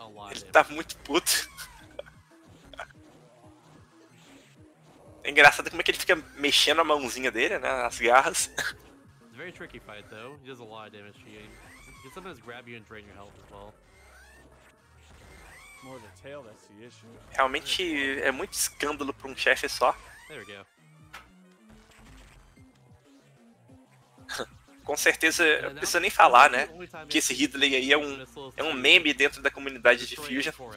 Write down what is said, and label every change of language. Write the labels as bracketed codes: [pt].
[pt] Ele tá muito puto. É engraçado como é que ele fica mexendo a mãozinha dele, né? As garras. É muito [en] tricky fight, though. He does a lot of damage to you. He can sometimes grab you and drain your health as well. More the tail, that's the issue. [pt] Realmente é muito escândalo pra um chefe só. [en] There we go. [pt] Com certeza, eu não preciso nem falar, né? Que esse Ridley aí é um meme dentro da comunidade de Fusion.